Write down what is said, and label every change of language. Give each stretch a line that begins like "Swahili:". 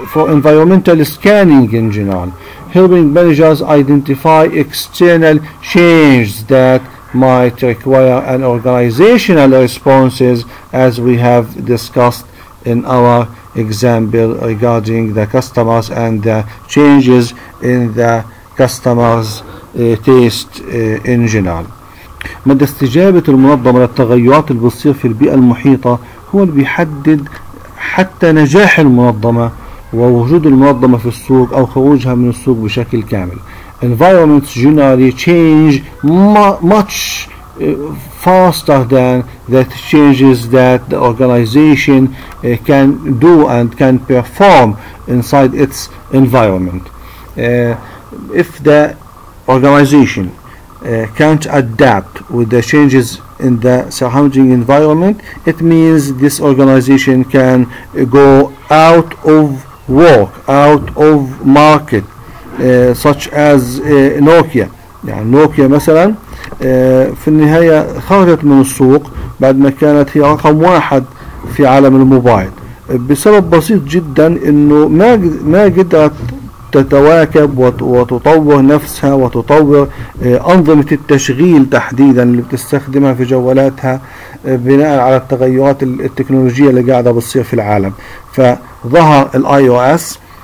English: environmental scanning in general helping managers identify external changes that might require an organizational responses as we have discussed in our example regarding the customers and the changes in the customers' taste in general.
Arabic: مدى استجابة المنظمة للتغيرات اللي بتصير في البيئة المحيطة هو اللي بيحدد حتى نجاح المنظمة ووجود المنظمة في السوق أو خروجها من السوق بشكل كامل.
English: Environments generally change much faster than the changes that the organization can do and can perform inside its environment. If the organization can't adapt with the changes in the surrounding environment, it means this organization can go out of work, out of market, such as Nokia.
Arabic: يعني نوكيا مثلا في النهاية خرجت من السوق بعد ما كانت هي رقم واحد في عالم الموبايل بسبب بسيط جدا انه ما قدرت تتواكب وتطور نفسها وتطور انظمة التشغيل تحديدا اللي بتستخدمها في جوالاتها بناء على التغيرات التكنولوجية اللي قاعدة بتصير في العالم فظهر الاي او اس